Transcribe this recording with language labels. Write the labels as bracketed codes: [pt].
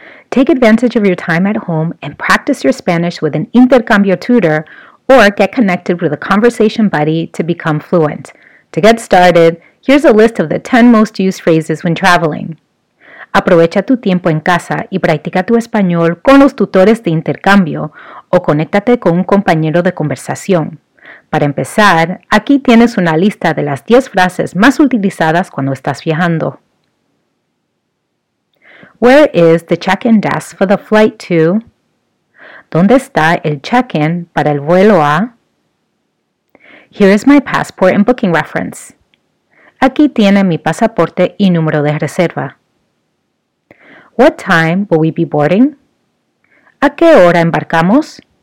[en] Take advantage of your time at home and practice your Spanish with an intercambio tutor or get connected with a conversation buddy to become fluent. To get started, here's a list of the 10 most used phrases when traveling. [es] Aprovecha tu tiempo en casa y practica tu español con los tutores de intercambio o conéctate con un compañero de conversación. Para empezar, aquí tienes una lista de las 10 frases más utilizadas cuando estás viajando. [en] Where is the check-in desk for the flight to? [es] ¿Dónde está el check-in para el vuelo a? [en] Here is my passport and booking reference. [es] Aquí tiene mi pasaporte y número de reserva. [en] What time will we be boarding? [es] ¿A qué hora embarcamos?